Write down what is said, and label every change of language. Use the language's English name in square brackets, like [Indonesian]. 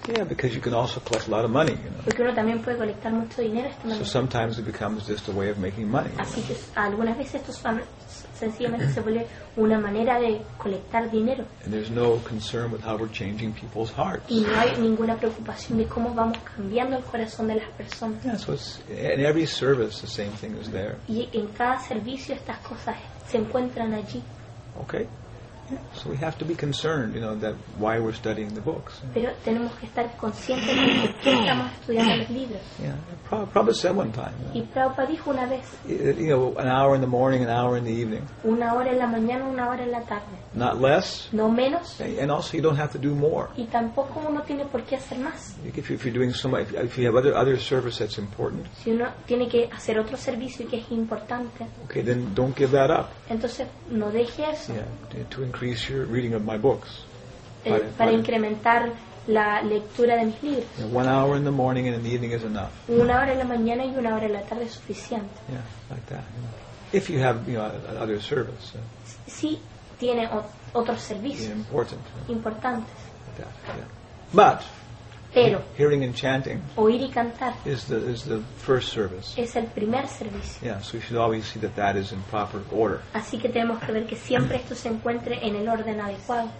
[English] Yeah, because you can also collect a lot of money, you know. [Spanish] Porque uno también puede colectar mucho dinero esta manera. [English] So sometimes it becomes just a way of making money. [Spanish] Así que algunas veces estos sencillamente se vuelve una manera de colectar dinero. [English] And there's no concern with how we're changing people's hearts. [Spanish] Y no hay ninguna preocupación de cómo vamos cambiando el corazón de las personas. [English] Yeah, so in every service the same thing is there. [Spanish] Y en cada servicio estas cosas se encuentran allí. [English] Okay. Yeah. So we have to be concerned, you know, that why we're studying the books. [Spanish] Pero tenemos que estar conscientes de por qué estamos estudiando los libros. [English] Yeah. Prabhupada said one time. [Spanish] Y Prabhupada dijo una vez. [English] You know, an hour in the morning, an hour in the evening. [Spanish] Una hora en la mañana, una hora en la tarde. [English] Not less. [Spanish] No menos. [English] And also, you don't have to do more. [Spanish] Y tampoco uno tiene por qué hacer más. [English] If you have other service that's important. [Spanish] Si uno tiene que hacer otro servicio que es importante. [English] Okay, then don't give that up. [Spanish] Entonces no deje eso. [English] Yeah. To increase your reading of my books. [Spanish] Para incrementar la lectura de mis libros. [English] Yeah, 1 hour in the morning and in the evening is enough. [Spanish] Una hora en la mañana y una hora en la tarde es suficiente. [English] Yeah, like that. Yeah. If you have, you know, other service. [Spanish] Si tiene otros servicios. [English] Yeah, important. Yeah. [Spanish] Importantes. [English] Like that, yeah. But. [Spanish] Pero. [English] Hearing and chanting. [Spanish] Oír y cantar. [English] Is the first service. [Spanish] Es el primer servicio. [English] Yeah, so we should always see that is in proper order. [Spanish] Así que tenemos que ver que siempre esto se encuentre en el orden adecuado.